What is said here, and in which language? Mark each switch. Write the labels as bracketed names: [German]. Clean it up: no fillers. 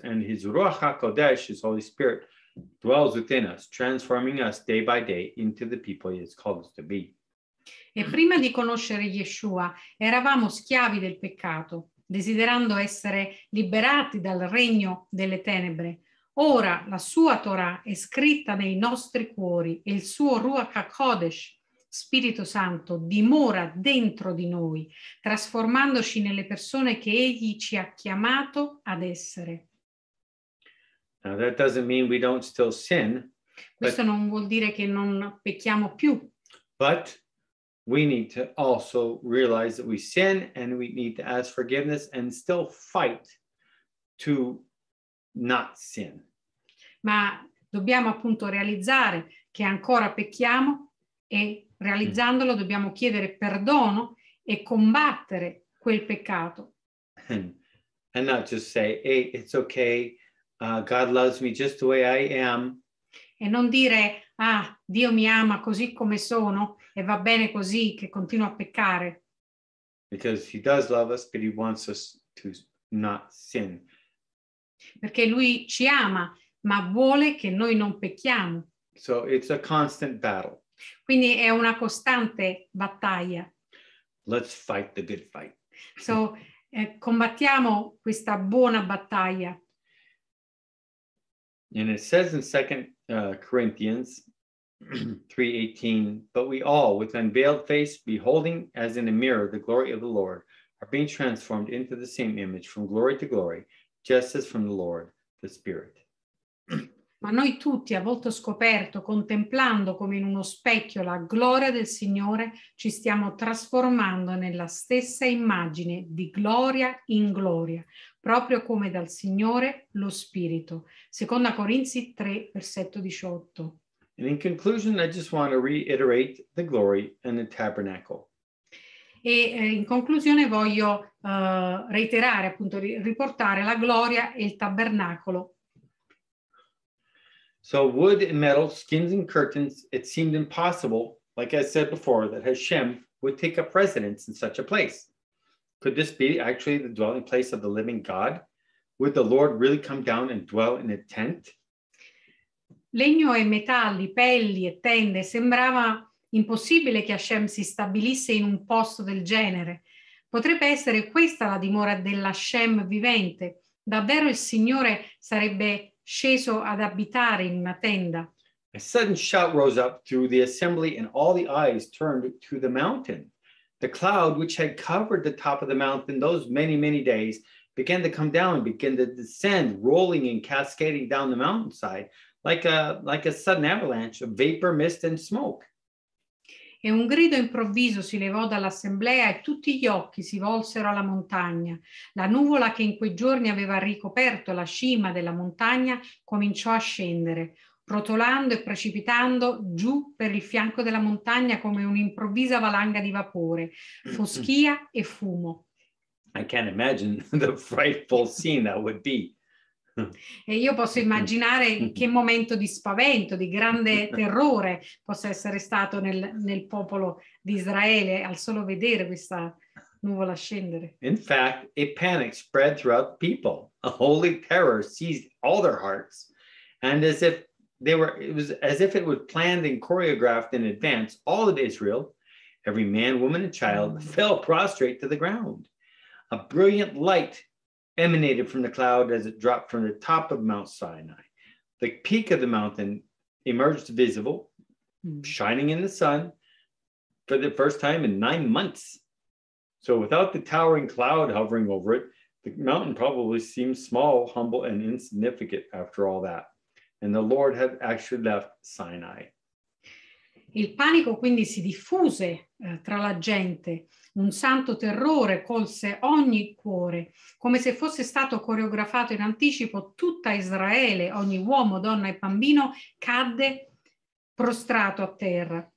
[English] And his Ruach HaKodesh, his Holy Spirit, dwells within us, transforming us day by day into the people he has called us to be. [Italian] E prima di conoscere Yeshua, eravamo schiavi del peccato, desiderando essere liberati dal regno delle tenebre. Ora la sua Torah è scritta nei nostri cuori e il suo Ruach HaKodesh, Spirito Santo, dimora dentro di noi, trasformandoci nelle persone che egli ci ha chiamato ad essere. [English] Now that doesn't mean we don't still sin. [Italian] Questo non vuol dire che non pecchiamo più. [English] But we need to also realize that we sin and we need to ask forgiveness and still fight to not sin. [Italian] Ma dobbiamo appunto realizzare che ancora pecchiamo e realizzandolo dobbiamo chiedere perdono e combattere quel peccato. [English] And not just say, hey, it's okay. God loves me just the way I am. [Italian] E non dire, ah, Dio mi ama così come sono e va bene così che continuo a peccare. [English] Because he does love us, but he wants us to not sin. [Italian] Perché lui ci ama, ma vuole che noi non pecchiamo. [English] So it's a constant battle. [Italian] Quindi è una costante battaglia. [English] Let's fight the good fight. [Italian] So combattiamo questa buona battaglia. [English] And it says in 2 Corinthians 3:18, but we all, with unveiled face, beholding as in a mirror the glory of the Lord, are being transformed into the same image from glory to glory, just as from the Lord, the Spirit. [Italian] Ma noi tutti, a volto scoperto, contemplando come in uno specchio la gloria del Signore, ci stiamo trasformando nella stessa immagine di gloria in gloria, proprio come dal Signore lo Spirito. Seconda Corinzi 3, versetto 18. [English] And in conclusion, I just want to reiterate the glory and the tabernacle. [Italian] E in conclusione voglio reiterare, appunto, riportare la gloria e il tabernacolo. [English] So wood and metal, skins and curtains, it seemed impossible, like I said before, that Hashem would take up residence in such a place. Could this be actually the dwelling place of the living God? Would the Lord really come down and dwell in a tent? [Italian] Legno e metalli, pelli e tende, sembrava impossibile che Hashem si stabilisse in un posto del genere. Potrebbe essere questa la dimora dell'Hashem vivente. Davvero il Signore sarebbe sceso ad abitare in una tenda. [English] A sudden shout rose up through the assembly and all the eyes turned to the mountain. The cloud which had covered the top of the mountain those many, many days began to come down, began to descend, rolling and cascading down the mountainside like a sudden avalanche of vapor, mist and smoke. [Italian] E un grido improvviso si levò dall'assemblea e tutti gli occhi si volsero alla montagna. La nuvola che in quei giorni aveva ricoperto la cima della montagna cominciò a scendere, rotolando e precipitando giù per il fianco della montagna come un'improvvisa valanga di vapore, foschia e fumo. [English] I can't imagine the frightful scene that would be. [Italian] E io posso immaginare che momento di spavento, di grande terrore possa essere stato nel popolo di Israele al solo vedere questa nuvola scendere. [English] In fact, a panic spread throughout people. A holy terror seized all their hearts. And as if it was planned and choreographed in advance, all of Israel, every man, woman, and child, fell prostrate to the ground. A brilliant light emanated from the cloud as it dropped from the top of Mount Sinai. The peak of the mountain emerged visible, shining in the sun for the first time in 9 months. So without the towering cloud hovering over it, the mountain probably seemed small, humble, and insignificant after all that. And the Lord had actually left Sinai. [Italian] Il panico quindi si diffuse tra la gente. Un santo terrore colse ogni cuore, come se fosse stato coreografato in anticipo. Tutta Israele, ogni uomo, donna e bambino, cadde prostrato a terra.